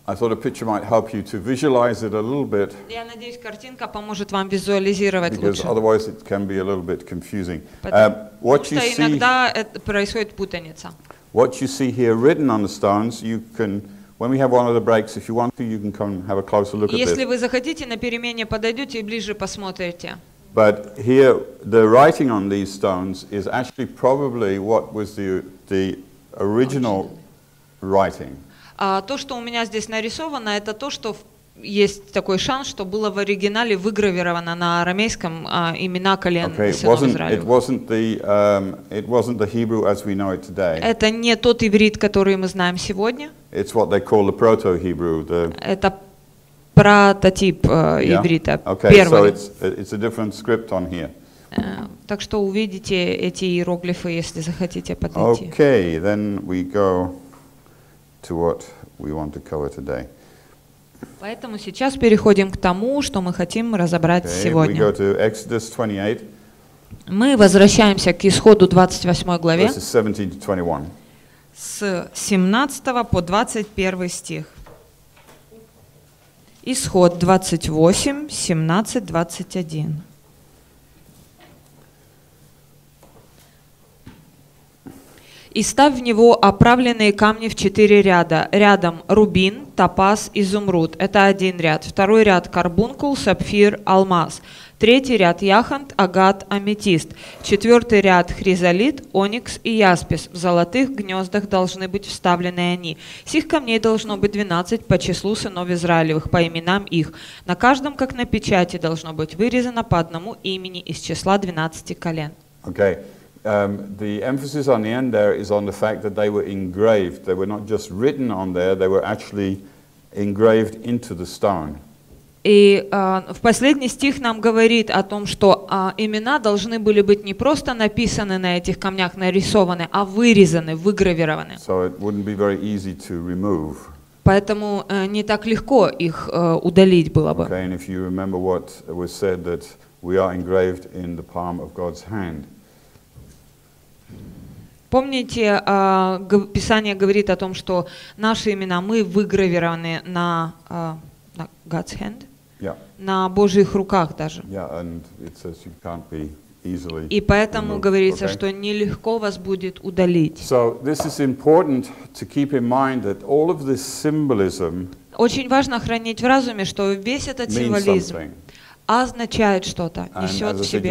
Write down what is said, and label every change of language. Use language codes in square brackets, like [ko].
[en] I thought a picture might help you to visualize it a little bit. [ru] Я надеюсь, картинка поможет вам визуализировать лучше. [en] Because otherwise it can be a little bit confusing. What you see. [ru] Потому что иногда это происходит путаница. [en] What you see here written on the stones, you can. When we have one of the breaks, if you want to, you can come have a closer look at this. [ru] Если вы захотите, на перемене подойдете и ближе посмотрите. [en] But here, the writing on these stones is actually probably what was the original writing. [ru] То, что у меня здесь нарисовано, это то, что есть такой шанс, что было в оригинале выгравировано на арамейском имена колен сынов Израилевых. [en] It wasn't the Hebrew as we know it today. [ru] Это не тот иврит, который мы знаем сегодня. [en] It's what they call the proto-Hebrew. [ru] Это прототип иврита, [en] okay, [ru] первый. [en] Okay, so it's a different script on here. [ru] Так что увидите эти иероглифы, если захотите подойти. [en] Okay, then we go to what we want to cover today. [ru] Поэтому сейчас переходим к тому, что мы хотим разобрать сегодня. [en] We go to Exodus 28. [ru] Мы возвращаемся к Исходу 28 главе. [en] Verses 17 to 21. [ru] с 17 по 21 стих. Исход 28, 17, 21. «И ставь в него оправленные камни в четыре ряда. Рядом рубин, топаз, изумруд. Это один ряд. Второй ряд – карбункул, сапфир, алмаз. Третий ряд – яхонт, агат, аметист. Четвертый ряд – хризолит, оникс и яспис. В золотых гнездах должны быть вставлены они. Сих камней должно быть 12 по числу сынов Израилевых, по именам их. На каждом, как на печати, должно быть вырезано по одному имени из числа 12 колен». [en] Okay. The emphasis on the end there is on the fact that they were engraved. They were not just written on there, they were actually engraved into the stone. [ru] И в последний стих нам говорит о том, что имена должны были быть не просто написаны на этих камнях, нарисованы, а вырезаны, выгравированы. [en] So it wouldn't be very easy to remove. [ru] Поэтому не так легко их удалить было бы. [en] Okay, and if you remember what was said, that we are engraved in the palm of God's hand. [ru] Помните, Писание говорит о том, что наши имена, мы выгравированы на [en] God's hand, yeah. [ru] На Божьих руках даже. [en] Yeah, and it says you can't be easily [ru] и поэтому removed. Говорится, okay. Что нелегко вас будет удалить. [en] So this is important to keep in mind that all of this symbolism [ru] очень важно хранить в разуме, что весь этот символизм означает что-то, несет в себе.